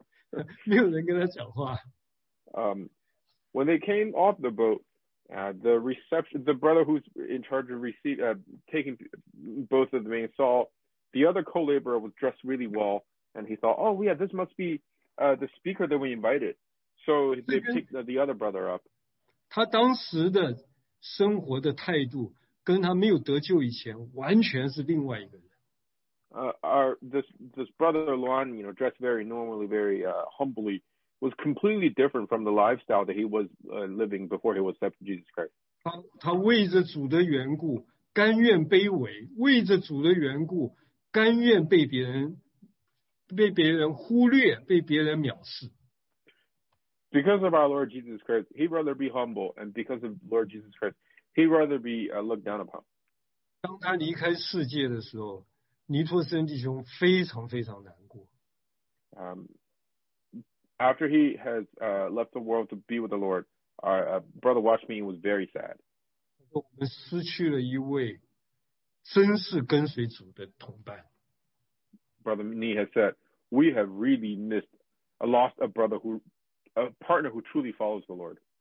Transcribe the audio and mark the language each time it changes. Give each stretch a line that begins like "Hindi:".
Chinese: 那么那个接船的弟兄啊，一看到他的那位同工穿得很整齐，很有精神，就想这一定是我们邀来的讲员，就把他接走了。这个南非利就坐在码头在那里，没有人跟他讲话。
English: When they came off the boat, the brother who's in charge of taking both of the men saw the other co-laborer was dressed really well, and he thought, oh yeah, this must be the speaker that we invited. So they picked the other brother up.
Chinese: 他当时的生活的态度跟他没有得救以前完全是另外一个人。
English: this brother Luan, you know, dressed very normally, very humbly, was completely different from the lifestyle that he was living before he was accepted to Jesus Christ.
Chinese: 他为着主的缘故，甘愿卑微，为着主的缘故，甘愿被别人忽略，被别人藐视。
English: Because of our Lord Jesus Christ, he'd rather be humble, and because of Lord Jesus Christ, he'd rather be looked down upon.
Chinese: 当他离开世界的时候，尼托森弟兄非常非常难过。
English: After he has left the world to be with the Lord, our brother Washington was very sad.
Chinese: 我们失去了一位真是跟随主的同伴。
English: Brother Nee has said, we have really missed, lost a brother who... A partner who truly follows the Lord.